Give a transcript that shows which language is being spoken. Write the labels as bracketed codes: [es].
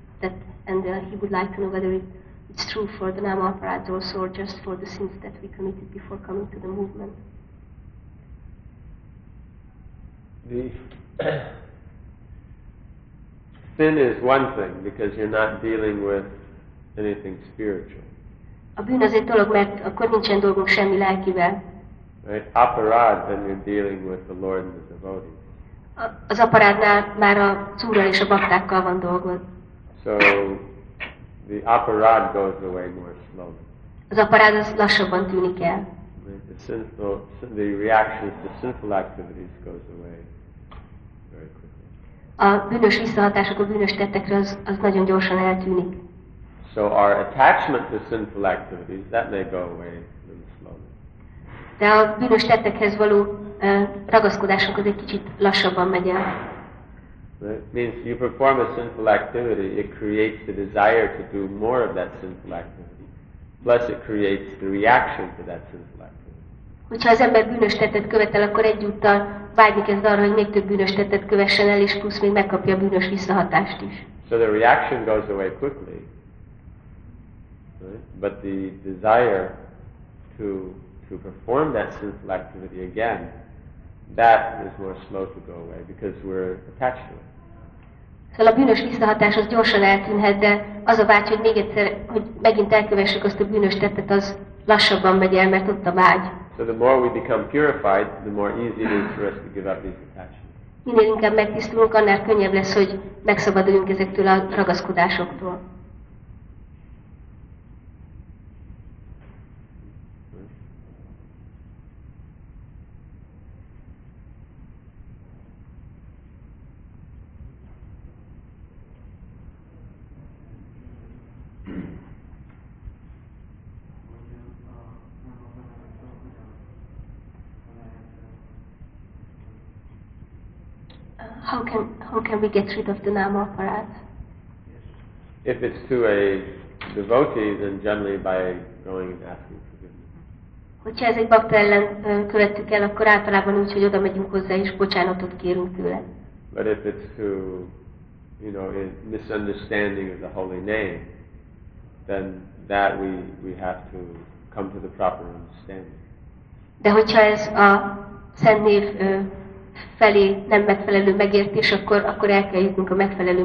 [en] He would like to know whether it's true for the Nama Aparat also, or just for the sins that we committed before coming to the movement. The sin is one thing, because you're not dealing with anything spiritual. [hu] A bűn az egy dolog, mert akkor nincsen dolgok semmi lelkivel. [en] Right, aparád, then you're dealing with the Lord and the devotees. [hu] Az aparádnál már a szúrral és a baktákkal van dolgod. [en] So the aparád goes away more slowly. [hu] Az aparád az lassabban tűnik el. [en] Right, the reactions to sinful activities goes away very quickly. [hu] A bűnös visszahatások a bűnös tettekre az nagyon gyorsan eltűnik. [en] So our attachment to sinful activities, that may go away a little slowly. [hu] De a bűnös tettekhez való ragaszkodásunk az egy kicsit lassabban megy el. [en] It means you perform a sinful activity, it creates the desire to do more of that sinful activity. Plus it creates the reaction to that sinful activity. [hu] Hogyha az ember bűnös tettet követel, akkor egyúttal vágyni kezd arra, hogy még több bűnös tettet kövessen el, és plusz még megkapja a bűnös visszahatást is. [en] So the reaction goes away quickly. Right? But the desire to perform that sinful activity again, that is more slow to go away because we're attached to it. [hu] Szóval a bűnös visszahatás az gyorsan eltűnhet, de az a vágy, hogy még egyszer, hogy megint elkövessük azt a bűnös tettet, az lassabban megy el, mert ott a vágy. [en] So the more we become purified, the more easy it is for us to give up these attachments. [hu] Minél inkább megtisztulunk, annál könnyebb lesz, hogy megszabaduljunk ezektől a ragaszkodásoktól. [en] How can we get rid of the nama aparat? If it's to a devotee, then generally by going and asking forgiveness. [hu] Hogyha ez egy bakta ellen követtük el, akkor általában úgy, hogy oda megyünk hozzá és bocsánatot kérünk tőle. [en] But if it's to, you know, a misunderstanding of the holy name, then that we have to come to the proper understanding. [hu] De hogyha ez a szent név felé nem megfelelő megértés, akkor el kell jutnunk a megfelelő